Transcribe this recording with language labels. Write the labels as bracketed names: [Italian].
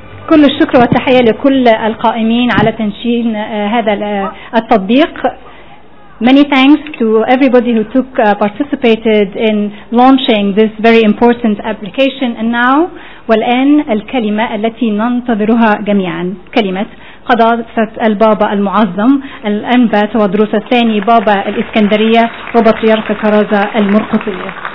[Arabic] كل الشكر والتحية لكل القائمين على تنشين هذا التطبيق. [English] Many thanks to everybody who took participated in launching this very important application. And now, [Arabic] والآن الكلمة التي ننتظرها جميعا، كلمة قداسة البابا المعظم الأنبا تودروس الثاني بابا الإسكندرية وبطريرك كرازة المرقطية.